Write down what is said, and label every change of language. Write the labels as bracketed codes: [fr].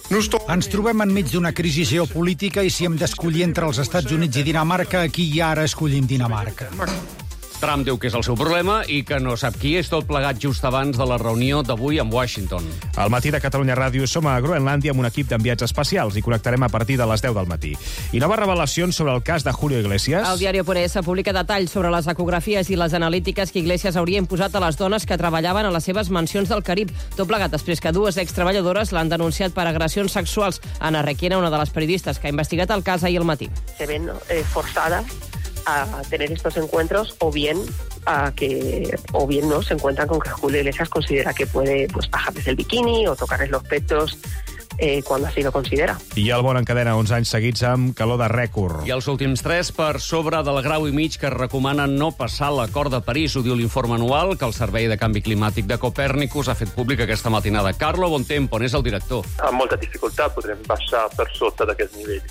[ca] Ens trobem enmig d'una crisi geopolítica i si hem d'escollir entre els Estats Units i Dinamarca, aquí i ara escollim Dinamarca. Trump diu que és el seu problema i que no sap qui és, tot plegat just abans de la reunió d'avui amb Washington. Al matí de Catalunya Ràdio som a Groenlàndia amb un equip d'enviats especials i connectarem a partir de les 10 del matí. I noves revelacions sobre el cas de Julio Iglesias. El diari Ponés publica detalls sobre les ecografies i les analítiques que Iglesias hauria imposat a les dones que treballaven a les seves mansions del Carib. Tot plegat després que dues ex-treballadores l'han denunciat per agressions sexuals. Ana Requena, una de les periodistes que ha investigat el cas ahir al matí. [es] Se ven forçada a tener estos encuentros o bien no se encuentran con que Julio Iglesias considera que puede pues bajarles el bikini o tocarles los pechos quan [ca] així ho considera. I el bon encadena 11 anys seguits amb calor de rècord. I els últims 3 per sobre del grau i mig que recomana no passar l'acord de París, ho diu l'informe anual que el Servei de Canvi Climàtic de Copernicus ha fet públic aquesta matinada. Carlo Bontempo, on és el director? Amb molta dificultat podrem baixar per sota d'aquest nivell.